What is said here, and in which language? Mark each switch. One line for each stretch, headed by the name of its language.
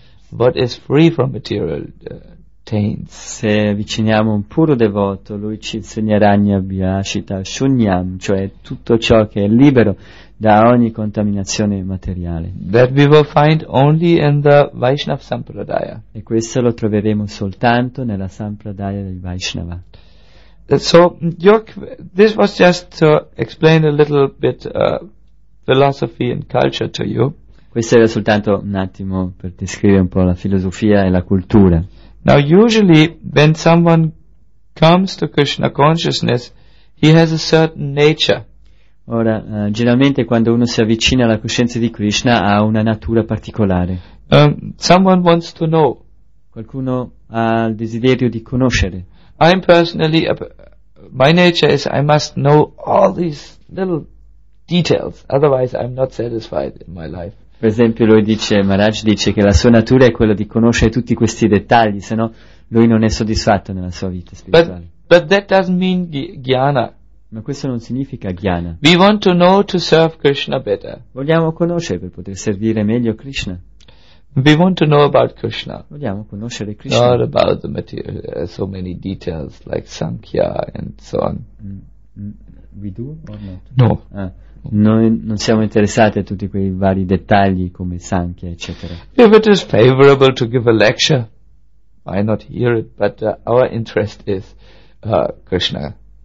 English: What is free from material taints.
Italian: Se avviciniamo un puro devoto, lui ci insegnerà anyabilashita shunyam, cioè tutto ciò che è libero da ogni contaminazione materiale.
English: That we will find only in the Vaishnava Sampradaya.
Italian: E questo lo troveremo soltanto nella Sampradaya del Vaishnava.
English: So, this was just to explain a little bit philosophy and culture to you.
Italian: Questo era soltanto un attimo per descrivere un po' la filosofia e la cultura.
English: Now, usually, when someone comes to Krishna consciousness, he has a certain nature.
Italian: Ora, generalmente, quando uno si avvicina alla coscienza di Krishna, ha una natura particolare.
English: Someone wants to know.
Italian: Qualcuno ha il desiderio di conoscere.
English: I'm personally, my nature is I must know all these little details, otherwise I'm not satisfied in my life.
Italian: Per esempio, lui dice, Maharaj dice che la sua natura è quella di conoscere tutti questi dettagli, sennò lui non è soddisfatto nella sua vita spirituale.
English: But that doesn't mean jnana.
Italian: Ma questo non significa jnana.
English: We want to know to serve Krishna better.
Italian: Vogliamo conoscere per poter servire meglio Krishna.
English: We want to know about Krishna.
Italian: Vogliamo conoscere Krishna.
English: Not about the material, so many details like Sankhya and so on. We do or not? No.
Italian: Noi non siamo interessati a tutti quei vari dettagli come Sankhya, eccetera.
English: If it is favorable to give a lecture, why not hear it? But our interest is Krishna.